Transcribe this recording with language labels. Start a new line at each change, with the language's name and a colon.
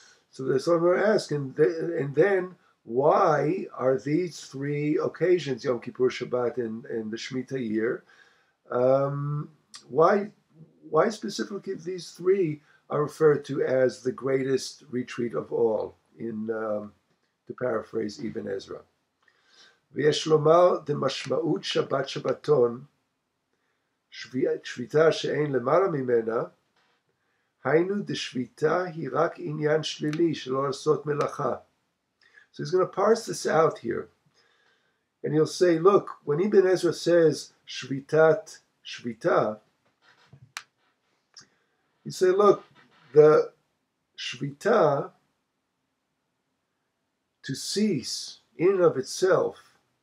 English: So the Zohar asks, and then why are these three occasions, Yom Kippur, Shabbat, and the Shemitah year, why specifically these three are referred to as the greatest retreat of all, in to paraphrase Ibn Ezra?
Hebrew: ויש לומר דמשמעות שבת שבתון, שביתה שאין למעלה ממנה, היינו דשביתה היא רק עניין שלילי שלא לעשות מלאכה.
English: So he's going to parse this out here. And he'll say, look, when Ibn Ezra says שביתת שביתה, he say, look, the שביתה, to cease in and of itself,